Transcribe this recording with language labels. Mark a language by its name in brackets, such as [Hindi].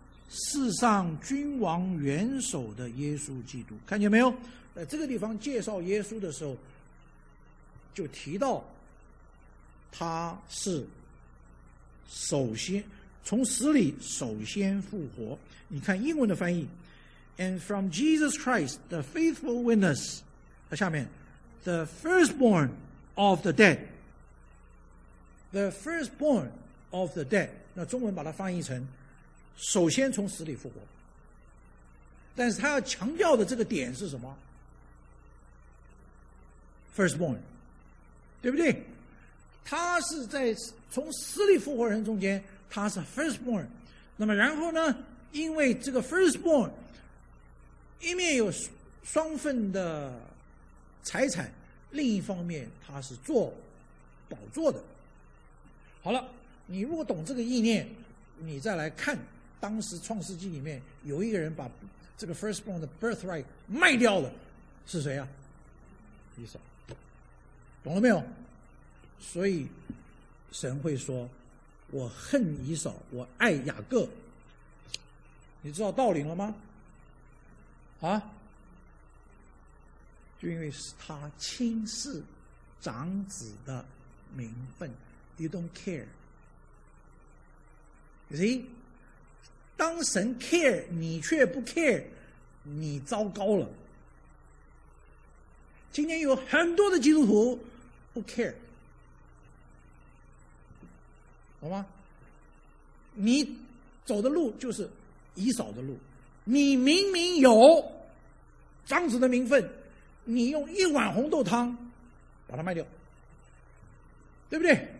[Chinese] 世上君王元首的耶稣基督。看见没有？在这个地方介绍耶稣的时候就提到他是首先从死里首先复活。你看英文的翻译 [English] And from Jesus Christ the faithful witness， [Chinese] 下面 [English] The firstborn of the dead， [Chinese] The firstborn of the dead， 那中文把它翻译成首先从死里复活。但是他要强调的这个点是什么？ firstborn， 对不对？他是在从死里复活人中间，他是 firstborn。那么然后呢，因为这个 firstborn 一面有双份的财产，另一方面他是坐宝座的。好了，你如果懂这个意念，你再来看当时创世纪里面有一个人把这个 firstborn 的 birthright 卖掉了，是谁啊？以扫。懂了没有？所以神会说我恨以扫，我爱雅各。你知道道理了吗？啊，就因为是他轻视长子的名分。 [English] You don't care， You see， [Chinese] 当神 care 你却不 care， 你糟糕了。今天有很多的基督徒不 care， 懂吗？你走的路就是以扫的路，你明明有长子的名分，你用一碗红豆汤把它卖掉，对不对？